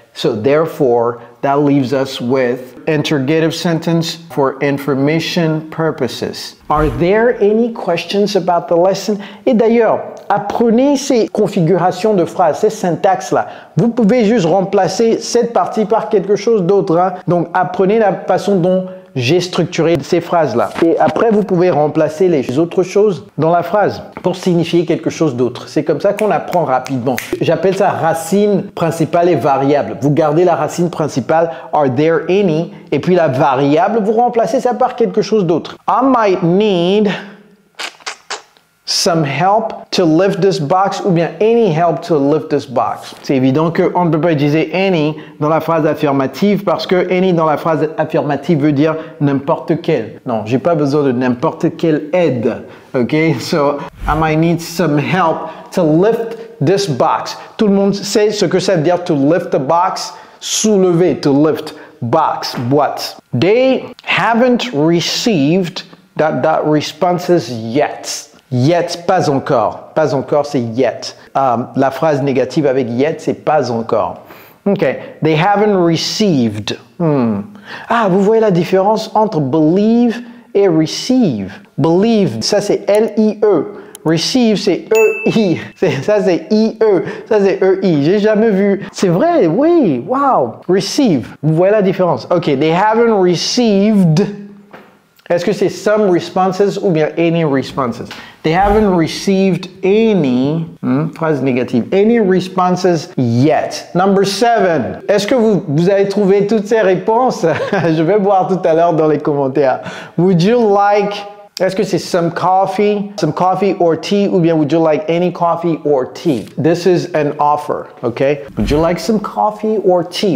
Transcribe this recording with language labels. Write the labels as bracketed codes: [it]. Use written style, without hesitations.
[en] So therefore, that leaves us with interrogative sentence for information purposes. Are there any questions about the lesson? [fr] Et d'ailleurs, apprenez ces configurations de phrases, ces syntaxes-là. Vous pouvez juste remplacer cette partie par quelque chose d'autre. Hein? Donc, apprenez la façon dont j'ai structuré ces phrases-là. Et après, vous pouvez remplacer les autres choses dans la phrase pour signifier quelque chose d'autre. C'est comme ça qu'on apprend rapidement. J'appelle ça racine principale et variable. Vous gardez la racine principale, [en] are there any, [fr] et puis la variable, vous remplacez ça par quelque chose d'autre. [en] I might need some help to lift this box, [fr] ou bien [en] any help to lift this box. [fr] C'est évident qu'on ne peut pas utiliser any dans la phrase affirmative parce que any dans la phrase affirmative veut dire n'importe quel. Non, j'ai pas besoin de n'importe quelle aide. [en] Ok, so I might need some help to lift this box. [fr] Tout le monde sait ce que ça veut dire [en] to lift the box, [fr] soulever, to lift box, boîte. [en] They haven't received responses yet. [fr] Yet, pas encore. Pas encore, c'est yet. La phrase négative avec yet, c'est pas encore. OK. [en] They haven't received. [fr] Ah, vous voyez la différence entre believe et receive. Believe, ça c'est L-I-E. Receive, c'est E-I. Ça c'est I-E. Ça c'est E-I. J'ai jamais vu. C'est vrai, oui. Wow. Receive. Vous voyez la différence. OK. [en] They haven't received. [fr] Est-ce que c'est some responses ou bien any responses? [en] They haven't received any, [fr] phrase négative, [en] any responses yet. Number 7. [fr] Est-ce que vous avez trouvé toutes ces réponses? Je vais voir tout à l'heure dans les commentaires. [en] Would you like, [fr] est-ce que c'est [en] some coffee or tea, [fr] ou bien [en] would you like any coffee or tea? This is an offer, okay? Would you like some coffee or tea?